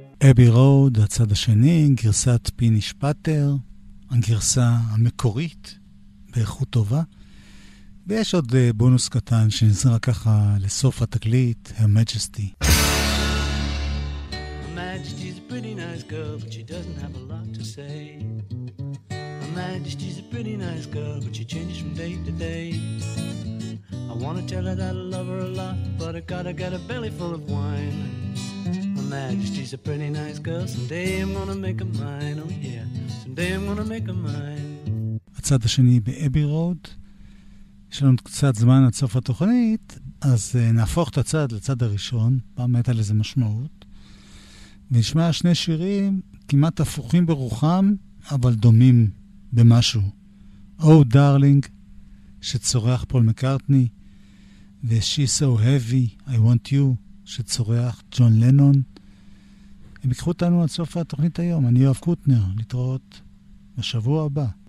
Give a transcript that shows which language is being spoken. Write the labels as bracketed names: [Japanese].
[Hebrew] אבי רוד, הצד השני, גרסת פיניש פאטר, הגרסה המקורית באיכות טובה. ויש עוד בונוס קטן שנזרק ככה לסוף התקליט, Her Majesty. [English] Her Majesty's a pretty nice girl, but she doesn't have a lot to say. Her Majesty's a pretty nice girl, but she changes from day to day. I want to tell her that I love her a lot, but I gotta get a belly full of wine. Her Majesty's a pretty nice girl. Someday I'm gonna make a mine. Oh yeah, someday I'm gonna make a mine. [Hebrew] הצד השני באבי רוד. יש לנו קצת זמן עד סוף התוכנית, אז נהפוך את הצד לצד הראשון. פעם הייתה לזה משמעות. ונשמע שני שירים כמעט הפוכים ברוחם, אבל דומים במשהו. Oh Darling, שצורח פול מקארטני, ו-She's So Heavy, I Want You, שצורח ג'ון לנון. הם יקחו אותנו עד סוף התוכנית היום. אני יואב קוטנר, להתראות בשבוע הבא.